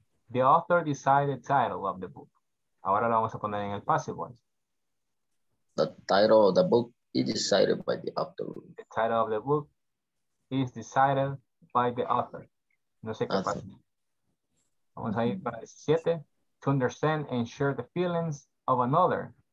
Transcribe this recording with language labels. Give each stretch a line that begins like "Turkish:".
English: The author decided the title of the book.
Spanish: Ahora lo vamos a poner en el passive voice.
English: The title of the book is decided by the author. The title of the book is decided by the author.
Spanish: No sé qué pasa. Vamos a ir para 17.
English: To understand and share the feelings of another.